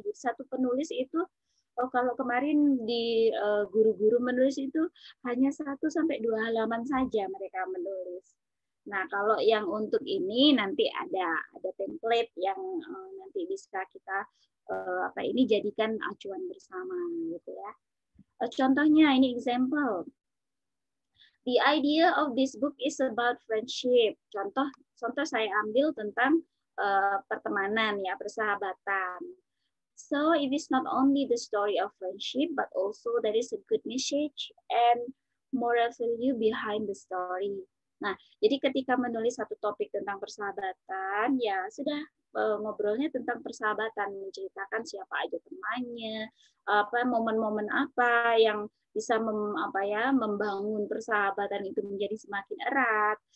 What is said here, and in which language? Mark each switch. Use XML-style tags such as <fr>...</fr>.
<id>Jadi satu penulis itu, oh kalau kemarin di guru-guru menulis itu hanya 1-2 halaman saja mereka menulis. Nah, kalau yang untuk ini nanti ada template yang nanti bisa kita apa, ini jadikan acuan bersama gitu ya. Contohnya ini example.</id> <en>The idea of this book is about friendship. Contoh saya ambil tentang pertemanan ya, persahabatan. So it is not only the story of friendship, but also there is a good message and moral value behind the story.</en> <id>Nah, jadi ketika menulis satu topik tentang persahabatan, ya sudah ngobrolnya tentang persahabatan, menceritakan siapa aja temannya, apa momen-momen apa yang bisa membangun persahabatan itu menjadi semakin erat.</id>